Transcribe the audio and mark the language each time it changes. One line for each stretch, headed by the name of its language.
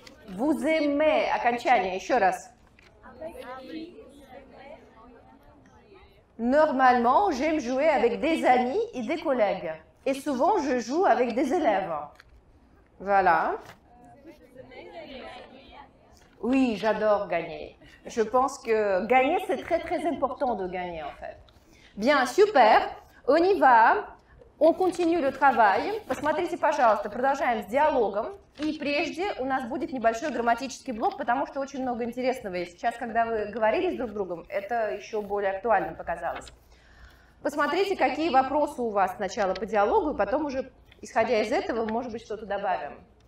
French: Vous aimez,
Russian: окончание, еще раз.
French: Normalement, j'aime jouer avec des amis et des collègues. Et souvent, je joue avec des élèves. Voilà. Oui, j'adore gagner. Je pense que gagner, c'est très, très important de gagner, en fait. Bien, super. On y va. On continue le travail.
Russian: Посмотрите, пожалуйста, продолжаем с диалогом. И прежде у нас будет небольшой грамматический блок, потому что очень много интересного есть. Сейчас, когда вы говорили с друг другом, это еще более актуально показалось. Посмотрите, какие вопросы у вас сначала по диалогу, и потом уже, исходя из этого, может быть, что-то добавим.